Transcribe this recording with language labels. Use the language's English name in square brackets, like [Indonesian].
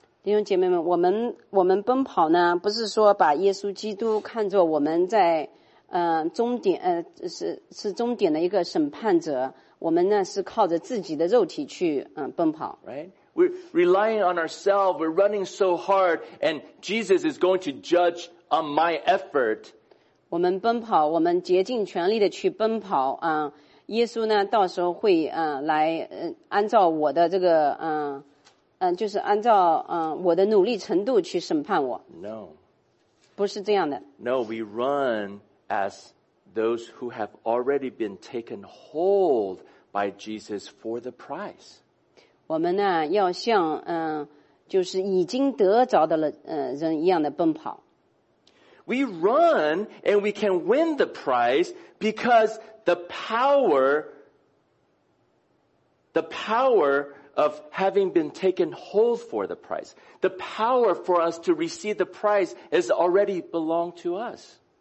[Chinese] 弟兄姐妹们，我们奔跑呢，不是说把耶稣基督看作我们在终点是终点的一个审判者，我们呢是靠着自己的肉体去奔跑。 [English] Right. We're relying on ourselves, we're running so hard, and Jesus is going to judge on my effort. [Chinese] 我们奔跑，我们竭尽全力的去奔跑啊！耶稣呢，到时候会来按照我的这个就是按照我的努力程度去审判我。 [English] No. [Chinese] 不是这样的。 [English] No, we run as those who have already been taken hold by Jesus for the price. [Chinese] 我们呢要像就是已经得着的人一样的奔跑。 [English] We run and we can win the prize because the power of having been taken hold for the prize, the power for us to receive the prize is already belong to us.